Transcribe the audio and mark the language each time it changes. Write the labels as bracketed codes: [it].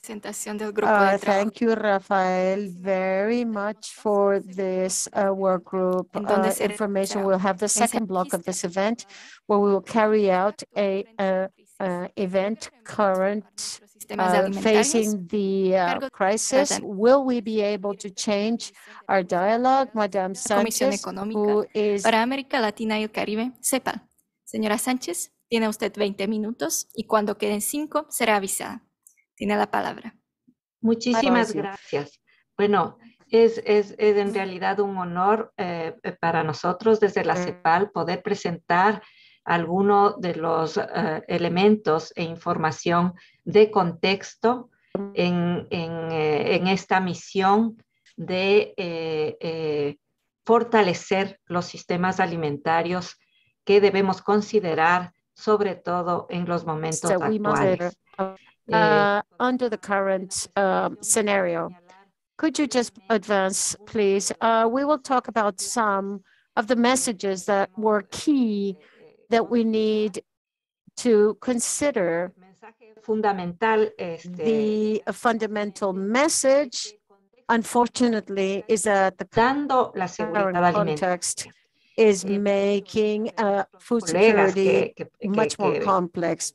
[en] Thank you, Rafael, very much for this work group information. We'll have the second block of this event where we will carry out facing the crisis. Will we be able to change our dialogue? Madame Sanchez, who is [es] para América Latina y el Caribe, sepa. Señora Sanchez, tiene usted 20 minutos y cuando queden 5, será avisada. Tiene la palabra. Muchísimas gracias. Bueno, es en realidad un honor para nosotros desde la CEPAL poder presentar alguno de los elementos e información de contexto en esta misión de fortalecer los sistemas alimentarios que debemos considerar sobre todo en los momentos actuales. [en] Under the current scenario, could you just advance, please? We will talk about some of the messages that were key that we need to consider. The fundamental message, unfortunately, is that the current context is making food security much more complex.